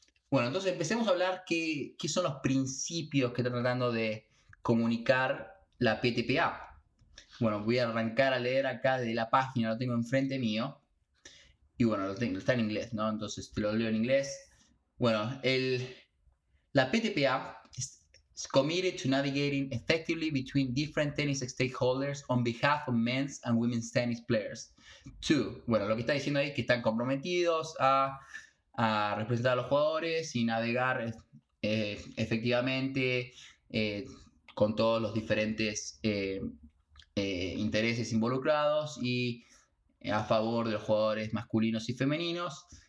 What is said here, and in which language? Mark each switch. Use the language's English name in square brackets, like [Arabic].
[Spanish] Bueno, entonces empecemos a hablar qué son los principios que está tratando de comunicar la PTPA. Bueno, voy a arrancar a leer acá de la página, lo tengo enfrente mío. Y bueno, lo tengo, está en inglés, ¿no? Entonces te lo leo en inglés. [English] Bueno, la PTPA is committed to navigating effectively between different tennis stakeholders on behalf of men's and women's tennis players. Two. [Spanish] Bueno, lo que está diciendo ahí es que están comprometidos a representar a los jugadores y navegar efectivamente con todos los diferentes intereses involucrados y a favor de los jugadores masculinos y femeninos.